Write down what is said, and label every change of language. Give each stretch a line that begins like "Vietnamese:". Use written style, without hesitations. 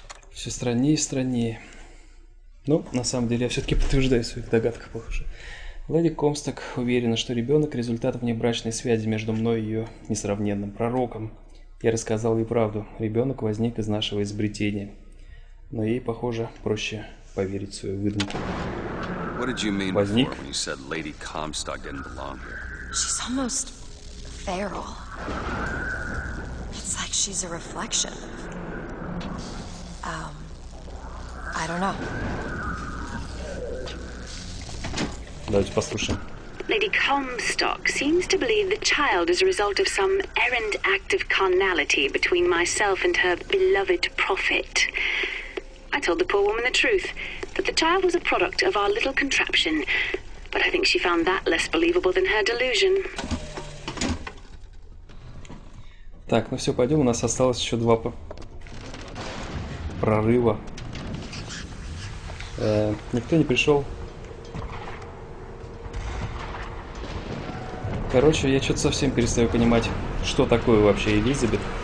Russian: Все страннее и страннее. Ну, на самом деле, я все-таки подтверждаю своих догадках, похоже. Леди Comstock уверена, что ребенок – результат внебрачной связи между мной и ее несравненным пророком. Я рассказал ей правду. Ребенок возник из нашего изобретения. Но ей, похоже, проще поверить в свою выдумку.
English: What did you mean before when you said Lady Comstock didn't belong here? She's almost feral. It's like she's a reflection. I don't know.
Russian: Давайте послушаем.
English: Lady Comstock seems to believe the child is a result of some errant act of carnality between myself and her beloved prophet. I told the poor woman the truth. That the child was a product of our little contraption. But I think she found that less believable than her delusion.
Russian: Так, ну все, пойдем. У нас осталось еще два прорыва. Никто не пришел. Короче, я что-то совсем перестаю понимать, что такое вообще Элизабет.